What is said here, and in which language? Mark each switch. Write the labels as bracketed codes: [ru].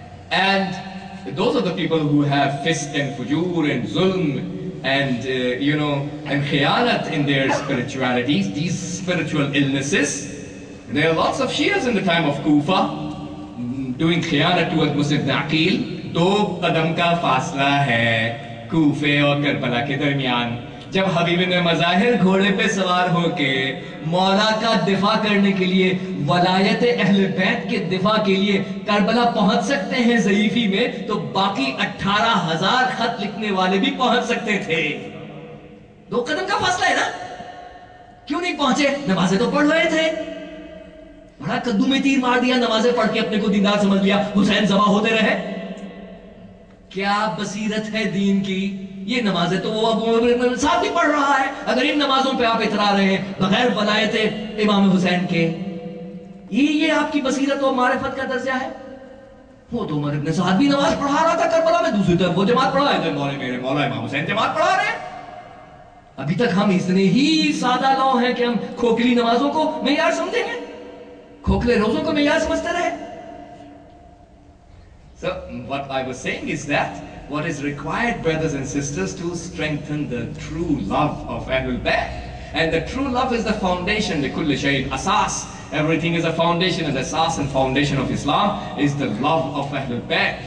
[en] And those are the people who have fisk and fujur and zulm and, you know, and khiyanat in their spiritualities, these spiritual illnesses. There are lots of Shias in the time of Kufa doing khiyanat towards Musib Naqil. [ur] Do qadam ka faasla hai Kufa aur Karbala ke darmiyan. جب حبیب نے مظاہر گھوڑے پہ سوار ہو کے مولا کا دفاع کرنے کے لیے, ولایت اہل بیت کے دفاع کے لیے کربلا پہنچ سکتے ہیں ضعیفی میں, تو باقی 18,000 خط لکھنے والے بھی پہنچ سکتے تھے. دو قدم کا فاصلہ ہے نا, کیوں نہیں پہنچے؟ نمازیں تو پڑھ رہے تھے. بڑا کدو میں تیر مار دیا, نمازیں پڑھ کے اپنے کو دیندار سمجھ لیا, حسین ذبح ہوتے رہے. کیا بصیرت ہے دین کی؟ یہ نمازیں تو وہ ابو عمر بن صاحب بھی پڑھ رہا ہے, اگر ان نمازوں پہ آپ اترا رہے ہیں بغیر ولایت امام حسین کے, یہ آپ کی بصیرت و معرفت کا درجہ ہے؟ وہ تو عمر بن صاحب بھی نماز پڑھا رہا تھا کربلا میں, دوسری طرف وہ جماعت پڑھا رہے تھے, مولا میرے مولا امام حسین جماعت پڑھا رہے ہیں. ابھی تک ہم اتنے ہی سادہ لو ہیں کہ ہم کھوکھلی نمازوں کو معیار سمجھیں گے, کھوکھلے روزوں کو معیار سمجھتے رہے. [en] So what I was saying is that what is required, brothers and sisters, to strengthen the true love of Ahlul Bayt. And the true love is the foundation, the [ar] kulli shayin asas. [en] Everything is a foundation, and the asas and foundation of Islam is the love of Ahlul Bayt.